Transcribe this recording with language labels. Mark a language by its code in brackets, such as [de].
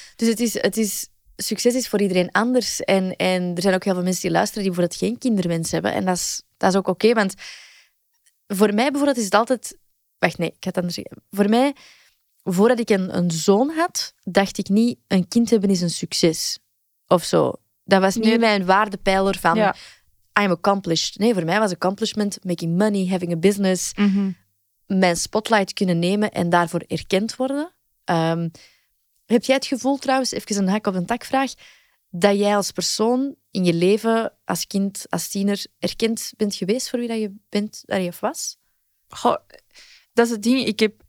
[nl] Dus het is, succes is voor iedereen anders. En er zijn ook heel veel mensen die luisteren die bijvoorbeeld geen kinderwens hebben. En dat is ook oké. Want voor mij bijvoorbeeld is het altijd... Wacht, nee, ik ga het anders zeggen. Voor mij... Voordat ik een zoon had, dacht ik niet, een kind hebben is een succes. Of zo. Dat was niet mijn waardepijler van [en] I'm accomplished. [nl] Nee, voor mij was [en] accomplishment making money, having a business. Mm-hmm. [nl] Mijn spotlight kunnen nemen en daarvoor erkend worden. Heb jij het gevoel trouwens, even een hak op een tak vraag, dat jij als persoon in je leven, als kind, als tiener, erkend bent geweest voor wie dat je bent dat je was? Goh, dat is het ding.